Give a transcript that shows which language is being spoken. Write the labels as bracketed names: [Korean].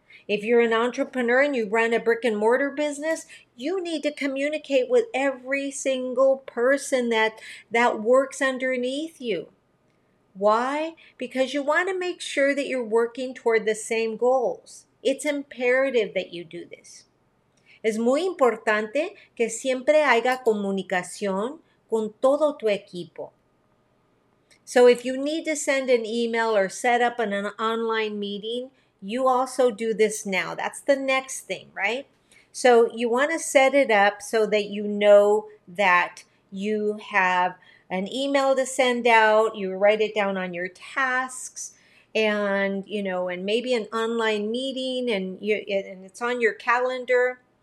[English] If you're an entrepreneur and you run a brick and mortar business, you need to communicate with every single person that works underneath you. Why? Because you want to make sure that you're working toward the same goals. It's imperative that you do this. [Spanish] Es muy importante que siempre haya comunicación con todo tu equipo. [English] So if you need to send an email or set up an online meeting, you also do this now. That's the next thing, right? So you want to set it up so that you know that you have an email to send out, you write it down on your tasks, and you know, and maybe an online meeting, and it's on your calendar.